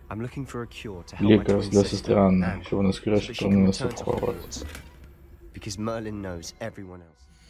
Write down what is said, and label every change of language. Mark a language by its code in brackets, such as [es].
[en] I'm looking for a cure to help my twin sister. [uk] Щоб вона скоріше повернулася в Хогвартс. [en] Because Merlin knows everyone else.